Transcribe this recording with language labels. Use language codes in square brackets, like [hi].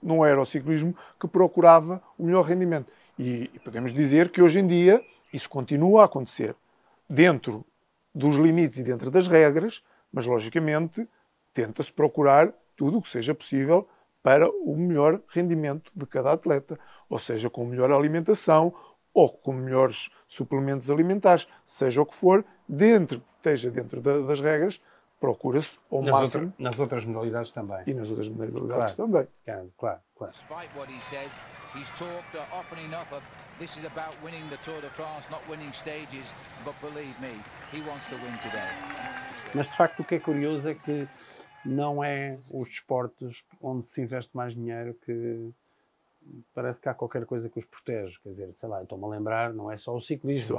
[pt] Não era o ciclismo que procurava o melhor rendimento. E podemos dizer que hoje em dia isso continua a acontecer dentro dos limites e dentro das regras, mas logicamente tenta-se procurar tudo o que seja possível para o melhor rendimento de cada atleta. Ou seja, com melhor alimentação ou com melhores suplementos alimentares, seja o que for, dentro das regras, procura-se ao máximo. Nas outras modalidades também. E nas outras modalidades também. Claro. [en] Despite what he says, he's talked often enough of this is about winning the Tour de France, not winning stages, but believe me, he wants to win today. [pt] Mas de facto o que é curioso é que não é os desportos onde se investe mais dinheiro que parece que há qualquer coisa que os protege. Quer dizer, sei lá, estou-me a lembrar, não é só o ciclismo.